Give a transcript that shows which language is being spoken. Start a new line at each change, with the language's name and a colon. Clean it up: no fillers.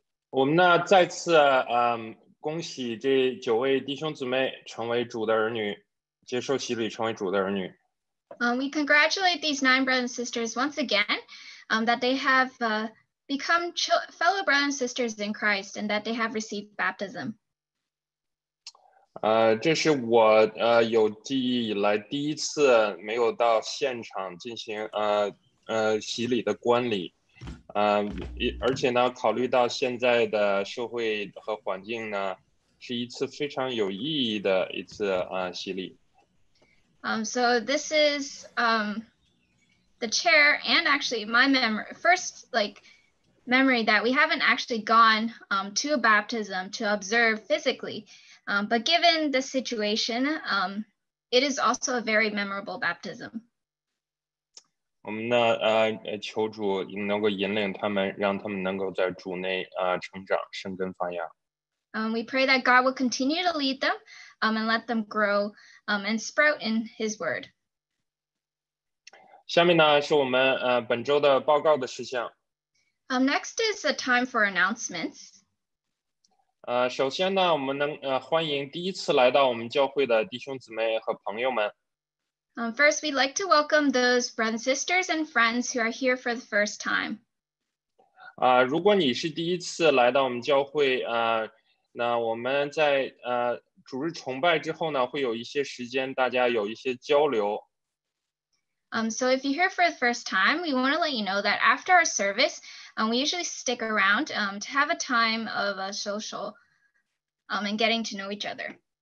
Chinese: 我们呢再次恭喜这九位弟兄姊妹成为主的儿女，接受洗礼成为主的儿女。
English: We congratulate these nine brothers and sisters once again, that they have become fellow brothers and sisters in Christ, and that they have received baptism.
Chinese: 这是我有记忆以来第一次没有到现场进行洗礼的冠礼。而且呢，考虑到现在的社会和环境呢，是一次非常有意义的一次洗礼。
English: So this is the chair and actually my memory that we haven't actually gone to a baptism to observe physically. But given the situation, it is also a very memorable baptism.
Chinese: 我们呢，求主能够引领他们，让他们能够在主内成长，生根发芽。
English: We pray that God will continue to lead them, and let them grow, and sprout in His Word.
Chinese: 下面呢是我们本周的报告的事项。
English: Next is a time for announcements.
Chinese: 首先呢，我们能欢迎第一次来到我们教会的弟兄姊妹和朋友们。
English: First, we'd like to welcome those brothers and sisters and friends who are here for the first time.
Chinese: 如果你是第一次来到我们教会，那我们在主日崇拜之后呢，会有一些时间，大家有一些交流。
English: So if you're here for the first time, we want to let you know that after our service, we usually stick around to have a time of a social and getting to know each other.